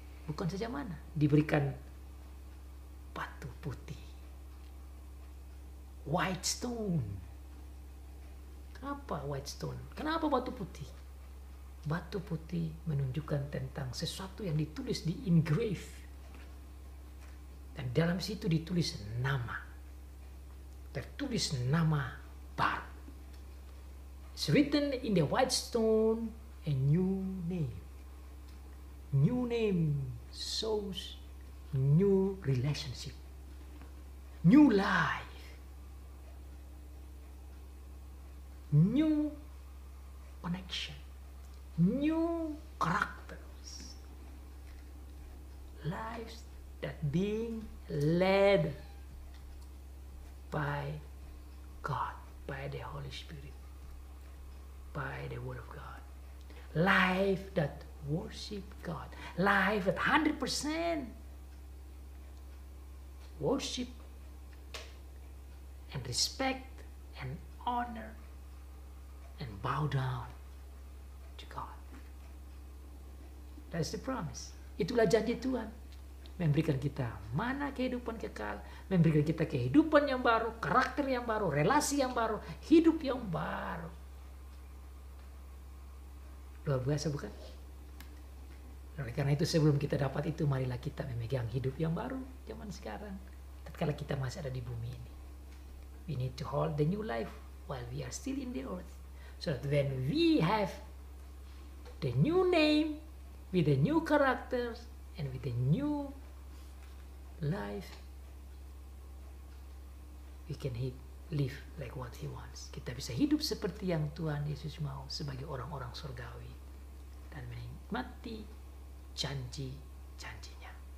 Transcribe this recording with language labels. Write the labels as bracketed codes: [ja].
[id] Bukan saja mana, diberikan batu putih, white stone. Kenapa white stone? Kenapa batu putih? Batu putih menunjukkan tentang sesuatu yang ditulis, di engrave, dan dalam situ ditulis nama. Tertulis nama baru. [en] It's written in the white stone a new name. New name shows new relationship, new life, new connection, new characters, lives that being led by God, by the Holy Spirit, by the Word of God. Life that worship God. Life that 100% worship and respect and honor and bow down to God. That's the promise. [id] Itulah janji Tuhan. Memberikan kita mana kehidupan kekal, memberikan kita kehidupan yang baru, karakter yang baru, relasi yang baru, hidup yang baru. Luar biasa bukan? Oleh karena itu sebelum kita dapat itu, marilah kita memegang hidup yang baru zaman sekarang. Tatkala kita masih ada di bumi ini. [en] We need to hold the new life while we are still in the earth. So that when we have the new name with the new characters and with a new life, we can live like what He wants. [id] Kita bisa hidup seperti yang Tuhan Yesus mau, sebagai orang-orang surgawi, dan menikmati janji-janji-Nya.